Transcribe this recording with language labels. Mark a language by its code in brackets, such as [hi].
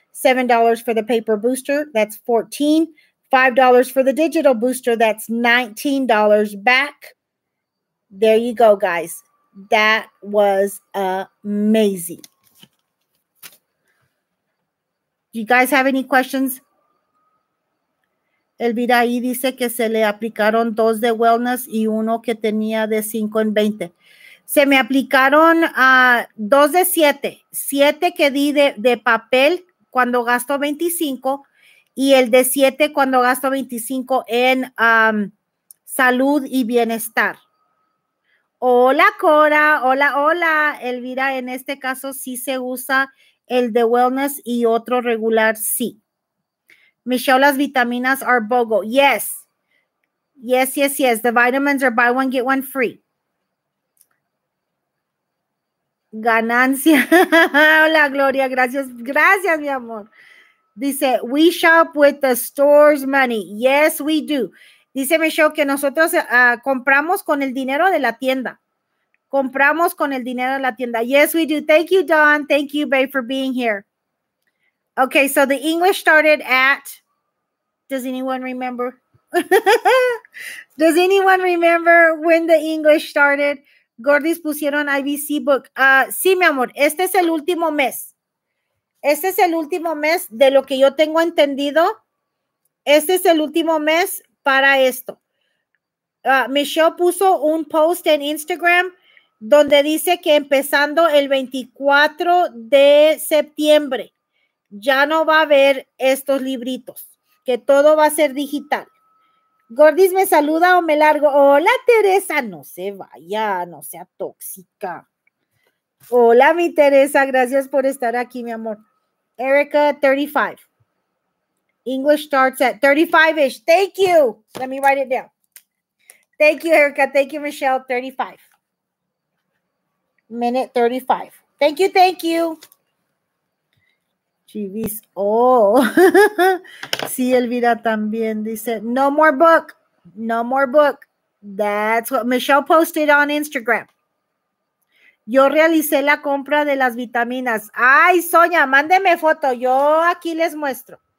[en] $7 for the paper booster, that's 14. $5 for the digital booster, that's $19 back. There you go, guys. That was amazing. Do you guys have any questions? [es] Elvira ahí dice que se le aplicaron dos de wellness y uno que tenía de 5 en 20. Se me aplicaron dos de 7. 7 que di de papel cuando gasto 25 y el de 7 cuando gasto 25 en salud y bienestar. Hola, Cora. Hola, hola, Elvira. En este caso sí se usa el de wellness y otro regular, sí. [en] Michelle, [es] las vitaminas [en] are BOGO. Yes. Yes, yes, yes. The vitamins are buy one, get one free. [es] Ganancia. Hola, Gloria. Gracias. Gracias, mi amor. [en] Dice, we shop with the store's money. Yes, we do. [es] Dice Michelle que nosotros compramos con el dinero de la tienda. Compramos con el dinero de la tienda. [en] Yes, we do. Thank you, Dawn. Thank you, babe, for being here. Okay, so the English started at, does anyone remember? Does anyone remember when the English started? [es] Gordis pusieron IBC book. Sí, mi amor, este es el último mes. Este es el último mes de lo que yo tengo entendido. Este es el último mes para esto. Michelle puso un post en Instagram donde dice que empezando el 24 de septiembre, ya no va a haber estos libritos, que todo va a ser digital. Gordis, ¿me saluda o me largo? Hola, Teresa. No se vaya, no sea tóxica. Hola, mi Teresa. Gracias por estar aquí, mi amor. Erica, 35. [en] English starts at 35-ish. Thank you. Let me write it down. Thank you, Erica. Thank you, Michelle. 35. Minute 35. Thank you, thank you. [es] Chivis, oh, sí, Elvira también dice, [en] no more book, no more book. That's what Michelle posted on Instagram. [es] Yo realicé la compra de las vitaminas. Ay, Sonia, mándeme foto, yo aquí les muestro.